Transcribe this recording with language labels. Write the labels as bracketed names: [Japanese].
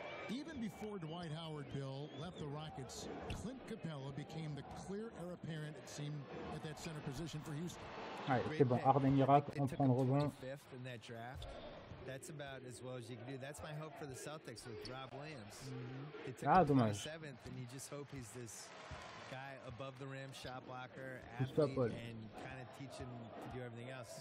[English] Even before Dwight Howard, Bill, left the Rockets, Clint Capella became the clear heir apparent, it seemed, at that center position for Houston. [French] Ouais, c'est bon, Harden ira, on prend le rebond. [English] In that draft. That's about as well as you can do. That's my hope for the Celtics with Rob Williams. [French] Mm-hmm. Ah, dommage. [English] 7th, and you just hope he's this guy above the rim, shot blocker, athlete, and kind of teach him to do everything else.